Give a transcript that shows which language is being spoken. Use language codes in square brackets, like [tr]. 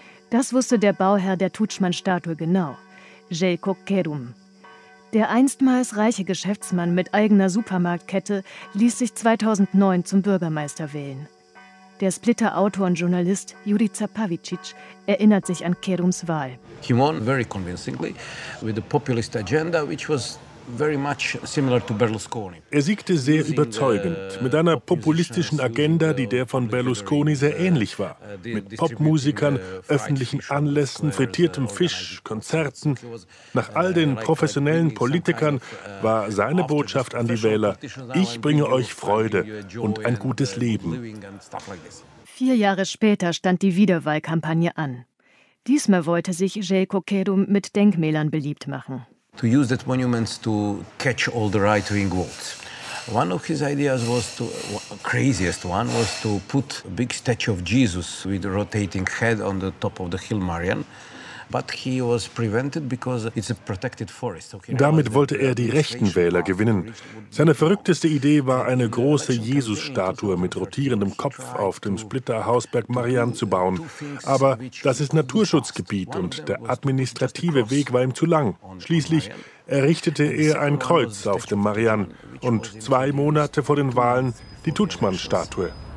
[de] Das wusste der Bauherr der Tudjman-Statue genau, Željko Kerum. Der einstmals reiche Geschäftsmann mit eigener Supermarktkette ließ sich 2009 zum Bürgermeister wählen. Der Splitter Autor und Journalist Jurica Pavicic erinnert sich an Kerums Wahl. [en] He won very convincingly with the populist agenda, which was very much similar to Berlusconi. [de] Er siegte sehr überzeugend, mit einer populistischen Agenda, die der von Berlusconi sehr ähnlich war. Mit Popmusikern, öffentlichen Anlässen, frittiertem Fisch, Konzerten. Nach all den professionellen Politikern war seine Botschaft an die Wähler: Ich bringe euch Freude und ein gutes Leben. 4 Jahre später stand die Wiederwahlkampagne an. Diesmal wollte sich Željko Kerum mit Denkmälern beliebt machen. [en] To use that monuments to catch all the right-wing votes. One of his ideas was to, craziest one was to put a big statue of Jesus with a rotating head on the top of the hill Marian. But he was prevented because it's a protected forest. [de] Okay. Damit wollte er die rechten Wähler gewinnen. Seine verrückteste Idee war, eine große Jesus-Statue mit rotierendem Kopf auf dem Splitter Hausberg Marian zu bauen. Aber das ist Naturschutzgebiet und der administrative Weg war ihm zu lang. Schließlich errichtete er ein Kreuz auf dem Marian und 2 Monate vor den Wahlen die Tudjman-Statue.